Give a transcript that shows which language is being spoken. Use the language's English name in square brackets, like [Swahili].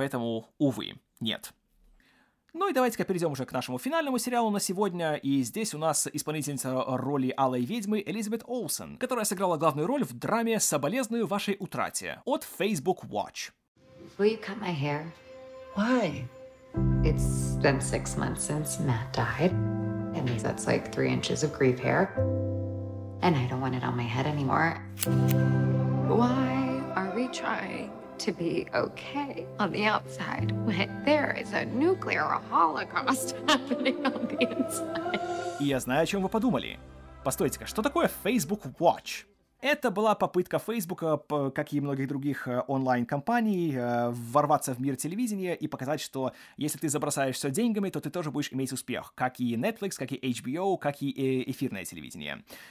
[Russian] Поэтому, увы, нет. Ну и давайте-ка перейдем уже к нашему финальному сериалу на сегодня. И здесь у нас исполнительница роли Алой Ведьмы Элизабет Олсен, которая сыграла главную роль в драме «Соболезную вашей утрате» от Facebook Watch. [English] Will you cut my hair? Why? It's been 6 months since Matt died. That means that's like 3 inches of grief hair. And I don't want it on my head anymore. Why are we trying to be okay on the outside when there is a nuclear holocaust happening on the inside? [Russian] И я знаю, о чем вы подумали. Постойте-ка, что такое Facebook Watch? Это была попытка Facebook, как и многих других онлайн-компаний, ворваться в мир телевидения и показать, что если ты забросаешь все деньгами, то ты тоже будешь иметь успех, как и Netflix, как и HBO, как и эфирное телевидение.